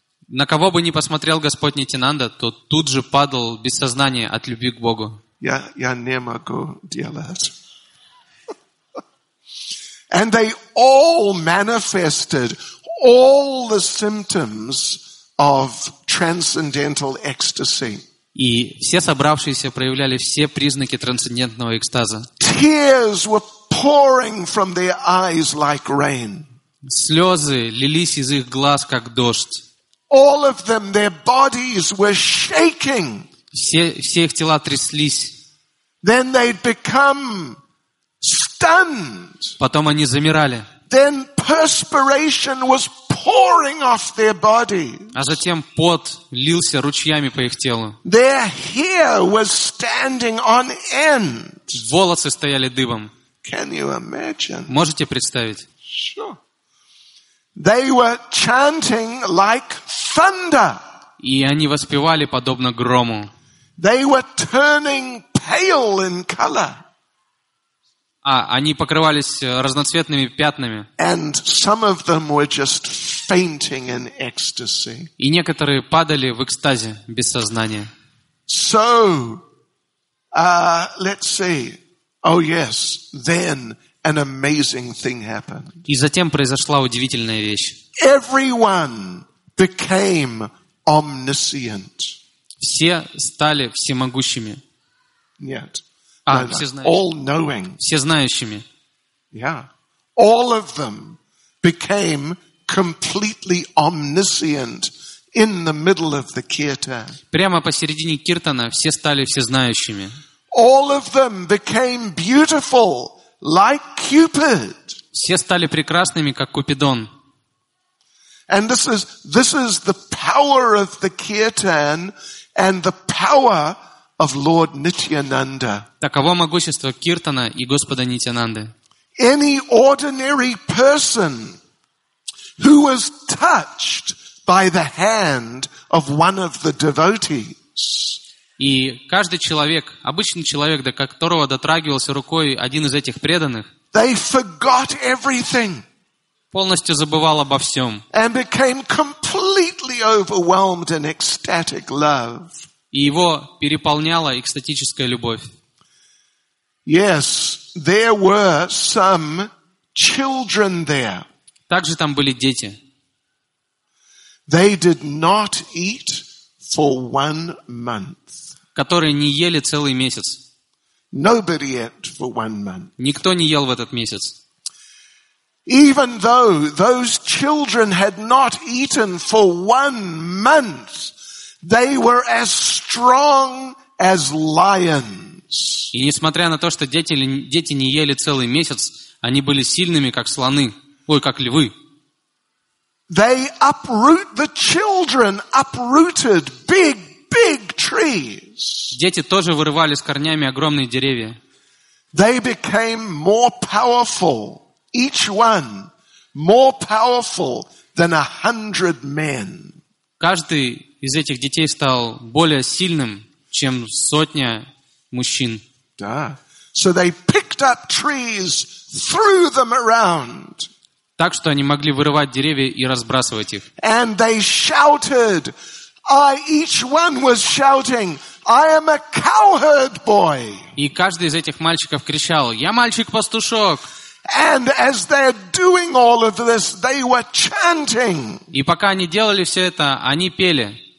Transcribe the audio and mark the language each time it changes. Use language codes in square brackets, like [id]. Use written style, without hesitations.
[ru] На кого бы ни посмотрел Господь Нитянанда, тот тут же падал без сознания от любви к Богу. Я не могу делать. [en] And they all manifested all the symptoms of transcendental ecstasy. [ru] И все собравшиеся проявляли все признаки трансцендентного экстаза. [en] Tears were pouring from their eyes like rain. [ru] Слезы лились из их глаз, как дождь. [en] All of them, their bodies were shaking. [ru] Все их тела тряслись. [en] Then they'd become stunned. [ru] Потом они замирали. [en] Then perspiration was pouring off their bodies. [ru] А затем пот лился ручьями по их телу. [en] Their hair was standing on end. [ru] Волосы стояли дыбом. [en] Can you imagine? [ru] Можете представить? [en] Sure. They were chanting like thunder. [ru] И они воспевали подобно грому. [en] They were turning pale in color. [ru] А они покрывались разноцветными пятнами. [en] And some of them were just fainting in ecstasy. [ru] И некоторые падали в экстазе без сознания. [en] So, let's see. Oh yes, then an amazing thing happened. [ru] И затем произошла удивительная вещь. [en] Everyone became omniscient. [ru] Все стали всемогущими. Нет. А, [en] no, [ru] всезнающими. [en] All knowing. [ru] Всезнающими. [en] Yeah. All of them became completely omniscient in the middle of the kirtan. [ru] Прямо посередине киртана все стали всезнающими. [en] All of them became beautiful like Cupid. [ru] Все стали прекрасными как Купидон. [en] And this is the power of the kirtan and the power of Lord Nityananda. [ru] Таково могущество киртана и Господа Нитянанды. [en] Any ordinary person who was touched by the hand of one of the devotees. [ru] И каждый человек, обычный человек, до которого дотрагивался рукой один из этих преданных, [en] they forgot everything. [ru] полностью забывал обо всем. [en] And became completely overwhelmed in ecstatic love. [ru] И его переполняла экстатическая любовь. [en] Yes, there were some children there. [ru] Также там были дети. [en] They did not eat for one month. [ru] Которые не ели целый месяц. [en] Nobody ate for one month. [ru] Никто не ел в этот месяц. [en] Even though those children had not eaten for one month, they were as strong as lions. [ru] И несмотря на то, что дети не ели целый месяц, они были сильными, как слоны, как львы. [en] They uproot the children, uprooted big, big trees. [ru] Дети тоже вырывали с корнями огромные деревья. [en] They became more powerful, each one more powerful than 100 men. [ru] Каждый из этих детей стал более сильным, чем сотня мужчин. Да. [en] So they picked up trees, threw them around. [ru] Так что они могли вырывать деревья и разбрасывать их. [en] And they shouted. Each one was shouting, I am a cowherd boy. [ru] И каждый из этих мальчиков кричал: "Я мальчик-пастушок". [en] And as they're doing all of this, they were chanting. [ru] И пока они делали все это, они пели.